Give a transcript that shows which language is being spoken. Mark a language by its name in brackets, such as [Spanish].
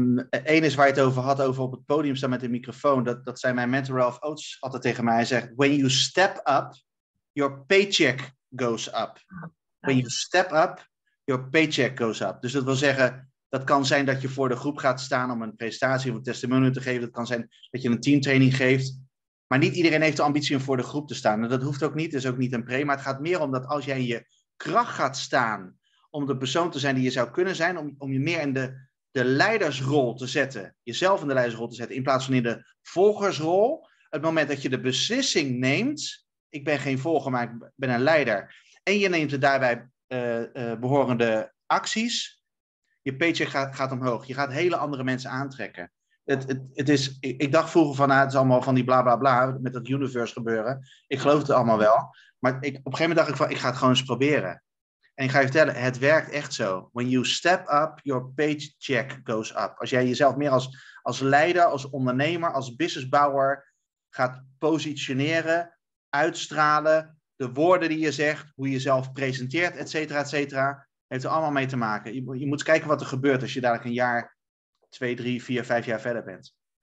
[Dutch] Eén is waar je het over had, over op het podium staan met de microfoon. Dat zei mijn mentor Ralph Oates altijd tegen mij. Hij zegt, [English] when you step up, your paycheck goes up. When you step up, your paycheck goes up. [Dutch] Dus dat wil zeggen, dat kan zijn dat je voor de groep gaat staan om een presentatie of een testimonial te geven. Dat kan zijn dat je een teamtraining geeft. Maar niet iedereen heeft de ambitie om voor de groep te staan. En dat hoeft ook niet, dat is ook niet een pre. Maar het gaat meer om dat als jij in je kracht gaat staan om de persoon te zijn die je zou kunnen zijn, om je meer in de leidersrol te zetten, jezelf in de leidersrol te zetten, in plaats van in de volgersrol, het moment dat je de beslissing neemt, ik ben geen volger, maar ik ben een leider, en je neemt de daarbij behorende acties, je paycheck gaat omhoog. Je gaat hele andere mensen aantrekken. Het is, ik dacht vroeger van, het is allemaal van die bla bla bla met dat universe gebeuren. Ik geloof het allemaal wel. Maar op een gegeven moment dacht ik van, ik ga het gewoon eens proberen. En ik ga je vertellen, het werkt echt zo. [English] When you step up, your paycheck goes up. [Dutch] Als jij jezelf meer als leider, als ondernemer, als businessbouwer gaat positioneren, uitstralen, de woorden die je zegt, hoe je jezelf presenteert, et cetera, heeft er allemaal mee te maken. Je moet kijken wat er gebeurt als je dadelijk een jaar... 2, 3, 4, 5 jaar verder bent.